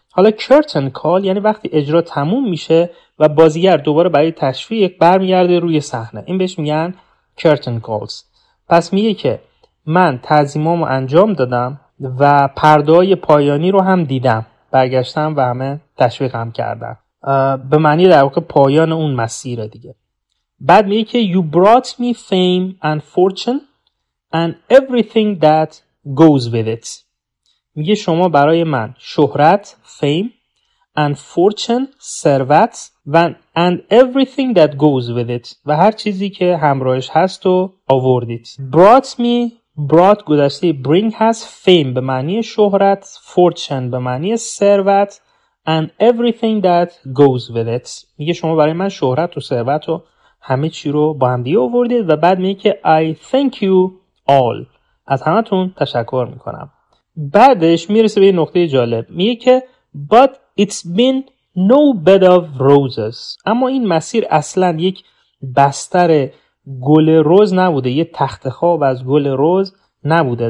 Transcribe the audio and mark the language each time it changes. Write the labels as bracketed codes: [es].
[fa] حالا curtain call یعنی وقتی اجرا تموم میشه و بازیگر دوباره برای تشویق برمیگرده روی صحنه، این بهش میگن curtain calls. پس میگه که من تعظیمامو انجام دادم و پردهای پایانی رو هم دیدم، برگشتم و همه تشویقم کردن، به معنی در واقع پایان اون مسیر دیگه. بعد میگه که [en] you brought me fame and fortune and everything that goes with it. [fa] میگه شما برای من شهرت، [en] fame and fortune، [fa] ثروت و [en] and everything that goes with it [fa] و هر چیزی که همراهش هست و آوردید. [en] brought me، brought گذشته bring هست، fame [fa] به معنی شهرت، [en] fortune [fa] به معنی ثروت [en] and everything that goes with it. [fa] میگه شما برای من شهرت و ثروت و همه چی رو با هم دیگه آوردید. و بعد میگه که [en] I thank you all، [fa] از همه تون تشکر میکنم. بعدش میرسه به یه نقطه جالب، میگه که [en] but it's been no bed of roses، [fa] اما این مسیر اصلا یک بستر گل روز نبوده، یه تخت خواب از گل روز نبوده.